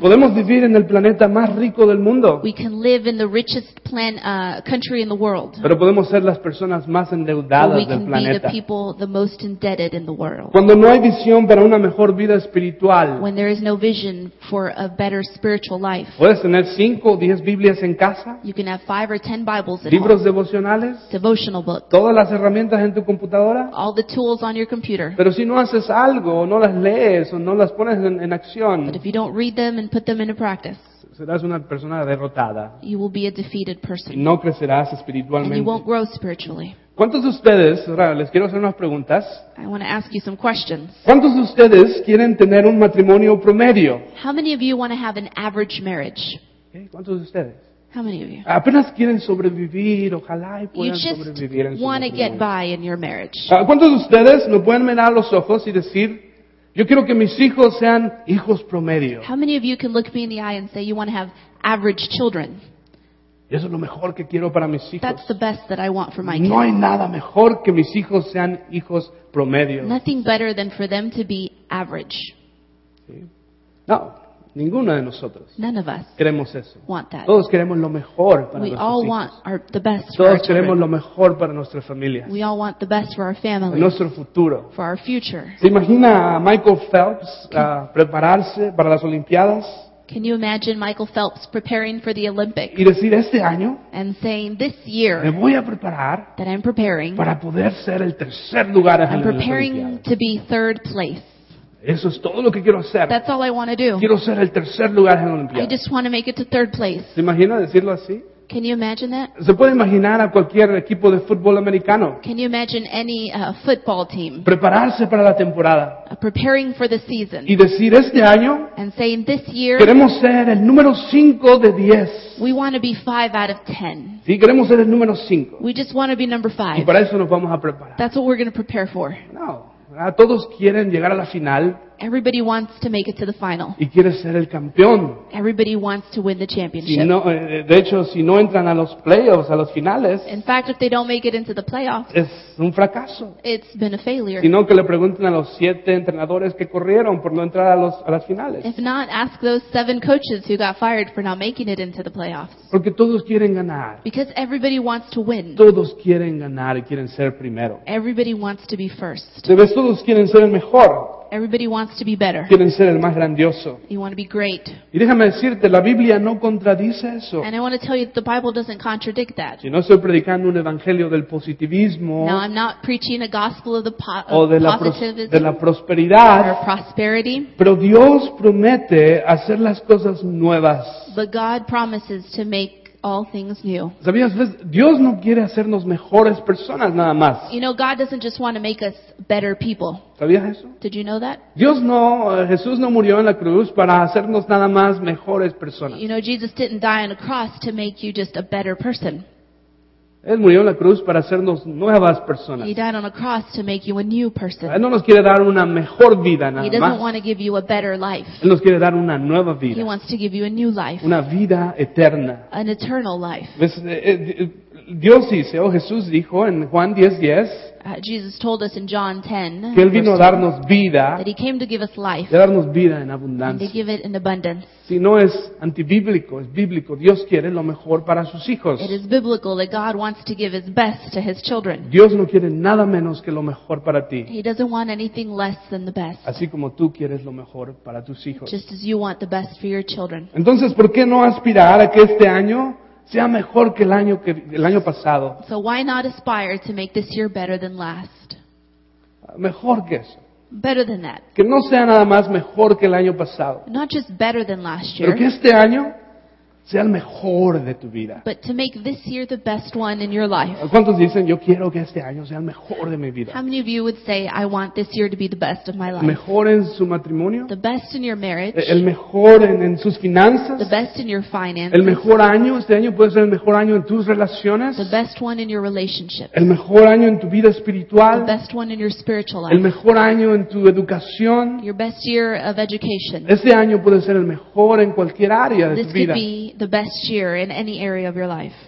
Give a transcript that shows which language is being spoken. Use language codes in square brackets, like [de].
[es] podemos vivir en el planeta más rico del mundo. [en] We can live in the richest country in the world. [es] Pero podemos ser las personas más endeudadas del planeta. [en] We can be the people the most indebted in the world. [es] Cuando no hay visión para una mejor vida espiritual, [en] when there is no vision for a better spiritual life. [es] Puedes tener 5 o 10 Biblias en casa. [en] You can have 5 or 10 Bibles at home. [es] Libros devocionales. [en] Devotional books. [es] Todas las herramientas en tu computadora. [en] All the tools on your computer. [es] Pero si no haces algo, o no las lees, o no las pones en acción, [en] but if you don't read them and put them into practice, [es] serás una persona derrotada. [en] You will be a defeated person. [es] Y no crecerás espiritualmente. [en] And you won't grow spiritually. [es] ¿Cuántos de ustedes, ahora les quiero hacer unas preguntas? [en] I want to ask you some questions. [es] ¿Cuántos de ustedes quieren tener un matrimonio promedio? [en] How many of you want to have an average marriage? [es] ¿Cuántos de ustedes? [en] How many of you? [es] Apenas quieren sobrevivir, ojalá y puedan sobrevivir en su matrimonio. [en] You just want to get by in your marriage. [es] ¿Cuántos de ustedes me pueden mirar los ojos y decir, yo quiero que mis hijos sean hijos promedio? [en] How many of you can look me in the eye and say you want to have average children? [es] Eso es lo mejor que quiero para mis hijos. [en] That's the best that I want for my kids. [es] No hay nada mejor que mis hijos sean hijos promedio. [en] Nothing better than for them to be average. [es] ¿Sí? No, ninguno de nosotros. [en] None of us [es] queremos eso. [en] Want that. [es] Todos queremos lo mejor para [en] we [es] nuestros [en] all [es] hijos. [en] Want our, the best for our [es] queremos [en] children. [es] Lo mejor para nuestras familias. [en] We all want the best for our families. [es] En nuestro futuro. [en] For our future. [es] ¿Se imagina a Michael Phelps prepararse para las Olimpiadas? [en] Can you imagine Michael Phelps preparing for the Olympics? [es] Y decir, este año, [en] and saying, this year, [es] me voy a preparar [en] that I'm preparing, [es] para poder ser el tercer lugar en [en] I'm preparing to be third place. [es] Eso es todo lo que quiero hacer. [en] That's all I want to do. [es] Quiero ser el tercer lugar en la Olimpiada. [en] I just want to make it to third place. [es] ¿Se imagina decirlo así? [en] Can you imagine that? [es] ¿Se puede imaginar a cualquier equipo de fútbol americano? [en] Can you imagine any football team? [es] Prepararse para la temporada. [en] Preparing for the season. [es] Y decir este año. [en] And saying this year. [es] Queremos ser el número 5 de 10. [en] We want to be 5 out of 10. [es] Sí, queremos ser el número 5. [en] We just want to be number 5. [es] Y para eso nos vamos a preparar. [en] That's what we're going to prepare for. [es] No. Todos quieren llegar a la final. [en] Everybody wants to make it to the final. [es] Y quiere ser el campeón. [en] Everybody wants to win the championship. [es] Si no, de hecho, si no entran a los playoffs, a los finales, [en] in fact, if they don't make it into the playoffs, [es] es un fracaso. [en] It's been a failure. [es] Sino que le pregunten a los 7 entrenadores que corrieron por no entrar a las finales. [en] If not, ask those 7 coaches who got fired for not making it into the playoffs. [es] Porque todos quieren ganar. [en] Because everybody wants to win. [es] Todos quieren ganar y quieren ser primero. [en] Everybody wants to be first. [es] De vez todos quieren ser el mejor. [en] Everybody wants to be better. [es] Quieren ser el más grandioso. [en] You want to be great. [es] Y déjame decirte, la Biblia no contradice eso. [en] And I want to tell you that the Bible doesn't contradict that. [es] Yo no estoy predicando un evangelio del positivismo. [en] No, I'm not preaching a gospel of the positivism. [es] O de la, de la prosperidad. [en] Or prosperity. [es] Pero Dios promete hacer las cosas nuevas. [en] But God promises to make all things new. [es] ¿Sabías? Dios no quiere hacernos mejores personas nada más. [en] You know, God doesn't just want to make us better people. [es] ¿Sabías eso? [en] Did you know that? [es] Dios no, Jesús no murió en la cruz para hacernos nada más mejores personas. [en] You know, Jesus didn't die on a cross to make you just a better person. [es] Él murió en la cruz para hacernos nuevas personas. [en] He died on a cross to make you a new person. [es] Él no nos quiere dar una mejor vida nada más. [en] He doesn't [es] más. [en] Want to give you a better life. [es] Él nos quiere dar una nueva vida. [en] He wants to give you a new life. [es] Una vida eterna. [en] An eternal life. [es] Pues, Dios dice, Jesús dijo en Juan 10:10. [en] Jesus told us in John 10. [es] Que él vino a darnos vida. [en] That he came to give us life. [es] De darnos vida en abundancia. [en] And to give it in abundance. [es] Si no es antibíblico, es bíblico. Dios quiere lo mejor para sus hijos. [en] It is biblical that God wants to give his best to his children. [es] Dios no quiere nada menos que lo mejor para ti. [en] He doesn't want anything less than the best. [es] Así como tú quieres lo mejor para tus hijos. [en] Just as you want the best for your children. [es] Entonces, ¿por qué no aspirar a que este año sea mejor que el año pasado? [en] So why not aspire to make this year better than last? [es] Mejor que eso. [en] Better than that. [es] Que no sea nada más mejor que el año pasado. [en] Not just better than last year. [es] Pero que este año sea el mejor de tu vida. [en] But to make this year the best one in your life. [es] ¿Cuántos dicen yo quiero que este año sea el mejor de mi vida? [en] How many of you would say I want this year to be the best of my life? [es] Mejor en su matrimonio. [en] The best in your marriage. [es] El mejor en sus finanzas. [en] The best in your finances. [es] El mejor año, este año puede ser el mejor año en tus relaciones. [en] The best one in your relationships. [es] El mejor año en tu vida espiritual. [en] The best one in your spiritual life. [es] El mejor año en tu educación. [en] Your best year of education. [es] Este año puede ser el mejor en cualquier área de [en] this [es] tu vida. [en] The best year in any area of your life.